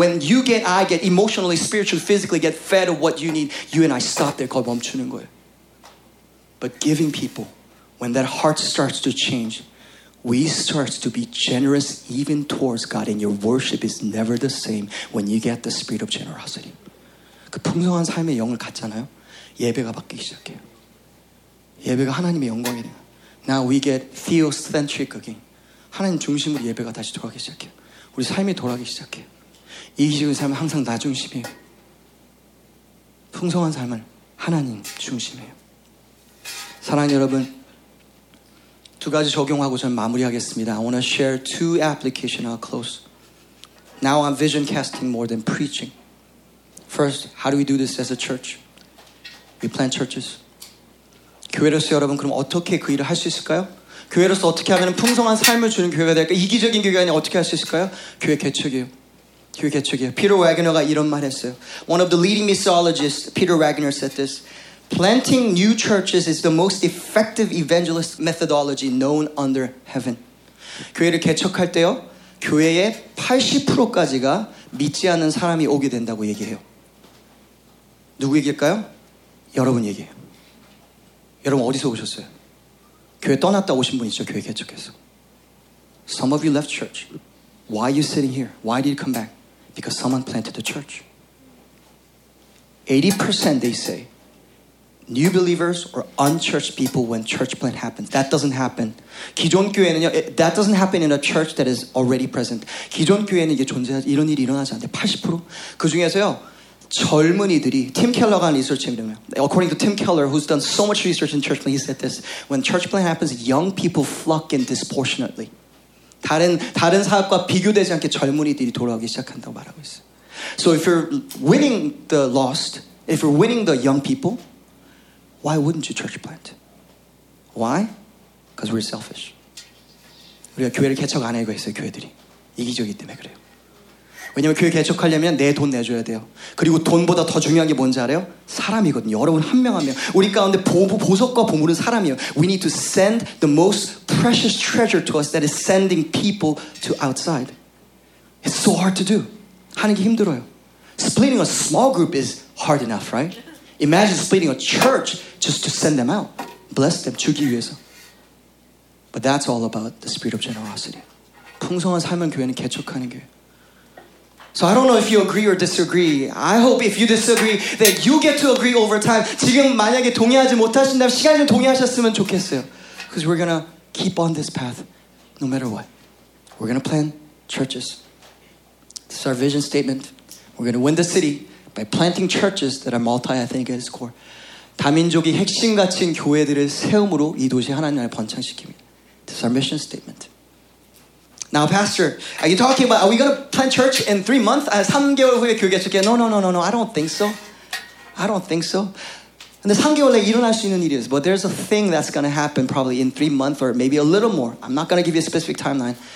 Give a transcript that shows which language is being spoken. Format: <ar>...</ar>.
<en>When you get, I get emotionally, spiritually, physically get fed of what you need, you and I stop there.</en> <ko>거기 멈추는 거예요.</ko> <en>But giving people, when that heart starts to change, we start to be generous even towards God, and your worship is never the same when you get the spirit of generosity.</en> <ko>그 풍성한 삶의 영을 갖잖아요. 예배가 바뀌기 시작해요. 예배가 하나님의 영광이 돼요.</ko> <en>Now we get theocentric again.</en> <ko>하나님 중심으로 예배가 다시 돌아가기 시작해요. 우리 삶이 돌아가기 시작해. 이기적인 삶은 항상 나 중심이에요. 풍성한 삶은 하나님 중심이에요. 사랑하는 여러분, 두 가지 적용하고 저는 마무리하겠습니다.</ko> <en>I want to share two applications up close. Now I'm vision casting more than preaching. First, how do we do this as a church? We plant churches.</en> <ko>교회로서 여러분, 그럼 어떻게 그 일을 할 수 있을까요? 교회로서 어떻게 하면 풍성한 삶을 주는 교회가 될까? 이기적인 교회가 아니라 어떻게 할 수 있을까요? 교회 개척이에요. 교회 개척이에요. Peter Wagner가 이런 말 했어요.</ko> <en>One of the leading missiologists, Peter Wagner, said this. Planting new churches is the most effective evangelist methodology known under heaven.</en> <ko>교회를 개척할 때요. 교회의 80%까지가 믿지 않는 사람이 오게 된다고 얘기해요. 누구 얘기일까요? 여러분 얘기해요. 여러분 어디서 오셨어요? 교회 떠났다 오신 분 있죠? 교회 개척해서.</ko> <en>Some of you left church. Why are you sitting here? Why did you come back? Because someone planted the church. 80% they say, new believers or unchurched people when church plant happens. That doesn't happen.</en> <ko>기존 교회는요,</ko> <en>that doesn't happen in a church that is already present.</en> <ko>기존 교회는 이게 존재하지, 이런 일이 일어나지 않는데 80%? 그 중에서요, 젊은이들이 팀 켈러가 한 리서치를 보면</ko> <en>according to Tim Keller who's done so much research in church plant, he said this when church plant happens young people flock in disproportionately</en> <ko>다른 사업과 비교되지 않게 젊은이들이 돌아오기 시작한다고 말하고 있어요.</ko> <en>So if you're winning the lost, if you're winning the young people, why wouldn't you church plant? Why? Because we're selfish.</en> <ko>우리가 교회를 개척 안 하고 있어요. 교회들이 이기적이기 때문에 그래요. 왜냐면 교회 개척하려면 내 돈 내줘야 돼요. 그리고 돈보다 더 중요한 게 뭔지 알아요? 사람이거든요. 여러분 한 명 한 명. 우리 가운데 보석과 보물은 사람이에요.</ko> <en>We need to send the most precious treasure to us that is sending people to outside. It's so hard to do.</en> <ko>하는 게 힘들어요.</ko> <en>Splitting a small group is hard enough, right? Imagine splitting a church just to send them out. Bless them,</en> <ko>주기 위해서.</ko> <en>But that's all about the spirit of generosity.</en> <ko>풍성한 삶은 교회는 개척하는 교회.</ko> <en>So I don't know if you agree or disagree. I hope if you disagree that you get to agree over time.</en> <ko>지금 만약에 동의하지 못하신다면 시간 좀 동의하셨으면 좋겠어요.</ko> <en>Because we're gonna keep on this path no matter what. We're gonna plant churches. This is our vision statement. We're gonna win the city by planting churches that are multi-ethnic at its core.</en> <ko>다민족이 핵심 가치인 교회들을 세움으로 이 도시 하나님을 번창시킵니다.</ko> <en>This is our mission statement. Now, Pastor, are you talking about, are we going to plant church in 3 months?</en> <ko>3개월 후에 교회 개척해요?</ko> <en>No, I don't think so.</en> <ko>근데 3개월 내에 일어날 수 있는 일이에요.</ko> <en>But there's a thing that's going to happen probably in 3 months or maybe a little more. I'm not going to give you a specific timeline.</en>